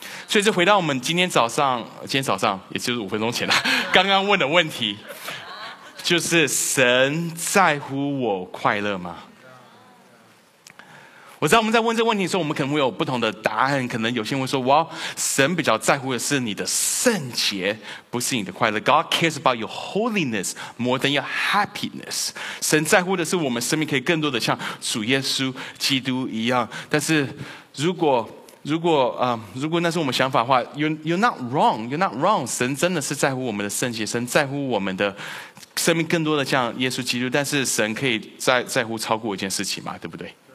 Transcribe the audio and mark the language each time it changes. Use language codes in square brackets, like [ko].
[zh] 所以就回到我们今天早上，也就是五分钟前了，刚刚问的问题。就是神在乎我快乐吗？我知道我们在问这个问题的时候，我们可能会有不同的答案。可能有些人会说，哇，神比较在乎的是你的圣洁，不是你的快乐。 [en] God cares about your holiness more than your happiness。 [zh] 神在乎的是我们生命可以更多的像主耶稣基督一样。但是如果那是我们想法的话， [en] You're not wrong。 [zh] 神真的是在乎我们的圣洁，神在乎我们的生命更多的像耶稣基督，但是神可以 在乎超过一件事情嘛，对不对？